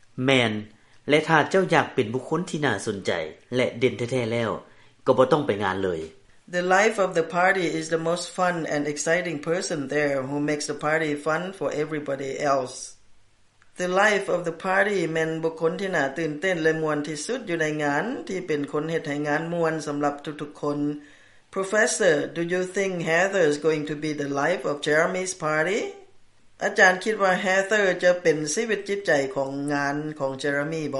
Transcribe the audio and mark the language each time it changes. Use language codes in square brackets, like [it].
[tts] Man, และถ้าเจ้าอยากเป็นบุคคลที่น่าสนใจและเด่นแท้ๆแล้วก็บ่ต้องไปงานเลย [en] The life of the party is the most fun and exciting person there who makes the party fun for everybody else. [tts] The life of the party แม่นบุคคลที่น่าตื่นเต้นและม่วนที่สุดอยู่ในงานที่เป็นคนเฮ็ดให้งานม่วนสําหรับทุกๆคน [en] Professor, do you think Heather is going to be the life of Jeremy's party? [tts] อาจารย์คิดว่าแฮเธอร์จะเป็นชีวิตจิตใจของงานของเจเรมี่บ